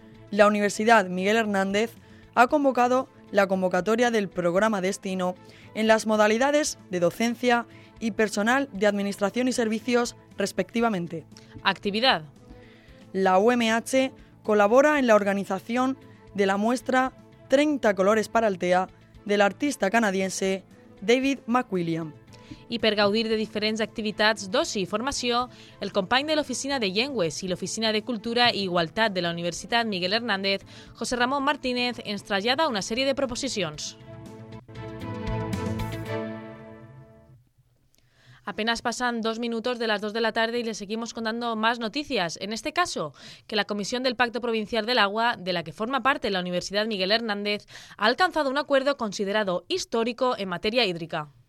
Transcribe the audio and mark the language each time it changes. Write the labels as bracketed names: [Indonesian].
[Spanish] La Universidad Miguel Hernández ha convocado la convocatoria del programa Destino en las modalidades de docencia y personal de administración y servicios, respectivamente. Actividad. La UMH colabora en la organización de la muestra 30 colores para Altea del artista canadiense David McWilliam. [Catalan] I per gaudir de diferents activitats d'oci i formació, el company de l'Oficina de Llengües i l'Oficina de Cultura i Igualtat de la Universitat Miguel Hernández, José Ramón Martínez, ens trasllada una sèrie de proposicions. [Spanish] Apenas pasan dos minutos de las dos de la tarde y les seguimos contando más noticias. En este caso, que la Comisión del Pacto Provincial del Agua, de la que forma parte la Universidad Miguel Hernández, ha alcanzado un acuerdo considerado histórico en materia hídrica.